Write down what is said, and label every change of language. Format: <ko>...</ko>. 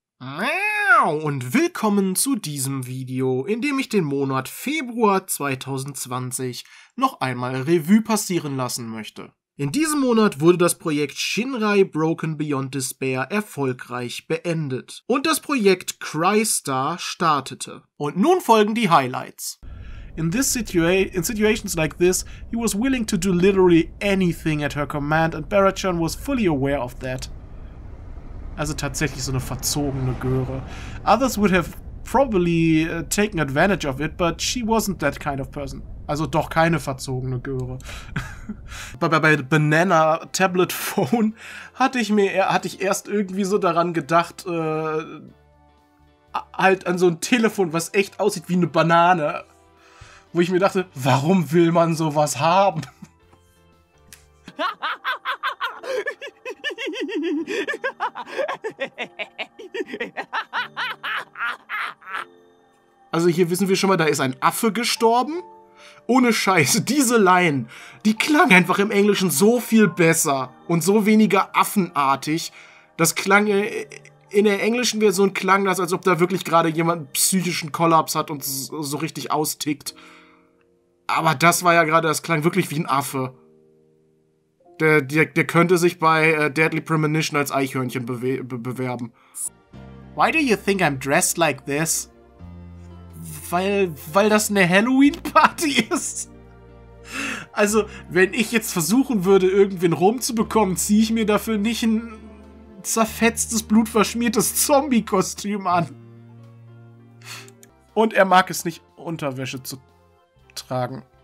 <de>Miau und willkommen zu diesem Video, in dem ich den Monat Februar 2020 noch einmal Revue passieren lassen möchte. In diesem Monat wurde das Projekt Shinrai Broken Beyond Despair erfolgreich beendet und das Projekt Crystar startete. Und nun folgen die Highlights.</de> <en>In situations like this, he was willing to do literally anything at her command and Barachan was fully aware of that.</en> <de>Also tatsächlich so eine verzogene Göre.</de> <en>Others would have probably taken advantage of it, but she wasn't that kind of person.</en> <de>Also doch keine verzogene Göre. bei Banana Tablet Phone hatte ich erst irgendwie so daran gedacht, halt an so ein Telefon, was echt aussieht wie eine Banane. Wo ich mir dachte, warum will man sowas haben? Also hier wissen wir schon mal, da ist ein Affe gestorben. Ohne Scheiß, diese Line, die klang einfach im Englischen so viel besser und so weniger affenartig. Das klang in der englischen Version klang das, als ob da wirklich gerade jemand einen psychischen Kollaps hat und so richtig austickt. Aber das war ja gerade, das klang wirklich wie ein Affe. Der könnte sich bei Deadly Premonition als Eichhörnchen bewerben.</de> <en>Why do you think I'm dressed like this?</en> <de>Weil das eine Halloween-Party ist. Also, wenn ich jetzt versuchen würde, irgendwen rumzubekommen, ziehe ich mir dafür nicht ein zerfetztes, blutverschmiertes Zombie-Kostüm an. Und er mag es nicht, Unterwäsche zu tragen.</de>